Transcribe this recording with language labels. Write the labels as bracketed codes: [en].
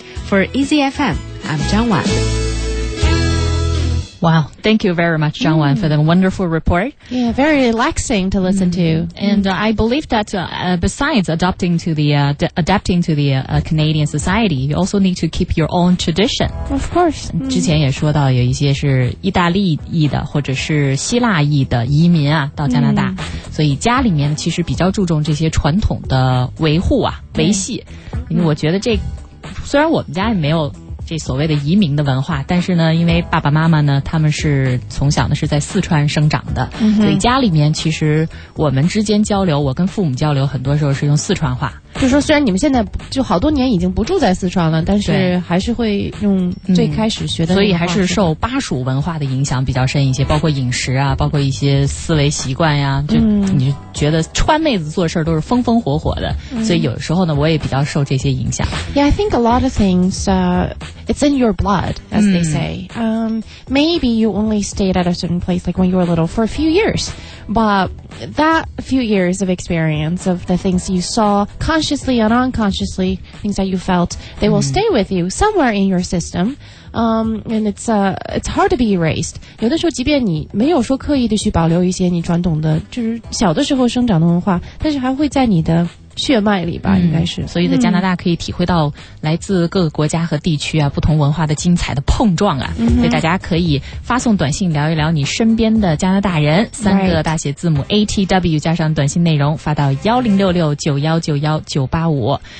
[en] For Easy FM, I'm Zhang Wan. Wow, thank you very much, Zhang Wan, for the wonderful report. Yeah, very relaxing to listen to. And I believe that besides adapting to the Canadian society, you also need to keep your own tradition. Of course. [zh] 之前也说到有一些是意大利裔的或者是希腊裔的移民啊到加拿大。所以家里面其实比较注重这些传统的维护啊维系。因为我觉得这虽然我们家也没有这所谓的移民的文化，但是呢，因为爸爸妈妈呢，他们是从小呢是在四川生长的，所以家里面其实我们之间交流，我跟父母交流很多时候是用四川话。就说虽然你们现在就好多年已经不住在四川了，但是还是会用最开始学的、所以还是受巴蜀文化的影响比较深一些，包括饮食啊，包括一些思维习惯呀、就你就觉得川妹子做事都是风风火火的、所以有时候呢我也比较受这些影响。 [en] Yeah, I think a lot of things it's in your blood, as they say. Maybe you only stayed at a certain place, like when you were little, for a few years. But that few years of experience, of the things you saw, consciously and unconsciously, things that you felt, they will stay with you somewhere in your system. And it's hard to be erased. [zh] 有的时候即便你没有说刻意的去保留一些你传统的，就是小的时候生长的文化，但是还会在你的血脉里吧，应该是。所以在加拿大可以体会到来自各个国家和地区啊不同文化的精彩的碰撞啊。所以大家可以发送短信聊一聊你身边的加拿大人，三个大写字母 ATW 加上短信内容发到 1066-9191-985。